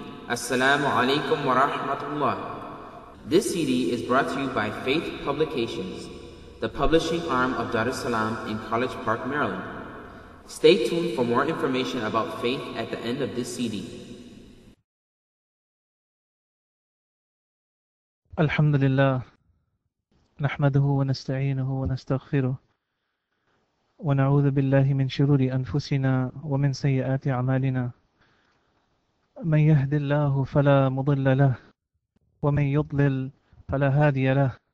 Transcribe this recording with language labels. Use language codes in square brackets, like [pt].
[ar] السلام عليكم ورحمة الله. [en] This CD is brought to you by Faith Publications, the publishing arm of Dar es Salaam in College Park, Maryland. Stay tuned for more information about Faith at the end of this CD. [ar] الحمد لله نحمده ونستعينه ونستغفره ونعوذ بالله من شرور أنفسنا ومن سيئات أعمالنا. من يهد الله فلا مضل له، ومن يضلل فلا هادي له.